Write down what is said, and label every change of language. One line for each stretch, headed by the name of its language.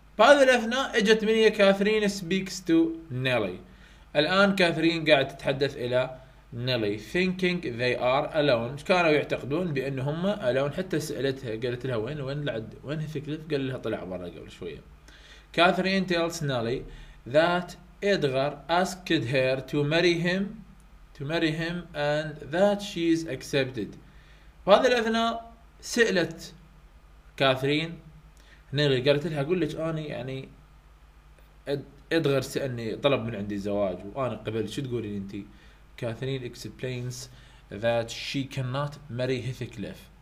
Arabic: بهذا الأثناء إجت مني كاثرين
English: speaks to
Arabic: نيلي. الآن كاثرين قاعد تتحدث إلى نيلي
English: thinking they are alone،
Arabic: كانوا يعتقدون بأنهم alone. حتى سألتها قالت لها وين لعد وين هيثكليف، قال لها طلع برا قبل شوية.
English: Catherine tells Nelly that Edgar asked her to marry him and that she is accepted.
Arabic: بهذا الأثناء سألت كاثرين نيلي، قالت لها أقول لك أنا يعني إدغار سألني طلب من عندي زواج وأنا قبل، شو تقولين أنتي؟ كاثرين
English: explains that she cannot marry Heathcliff.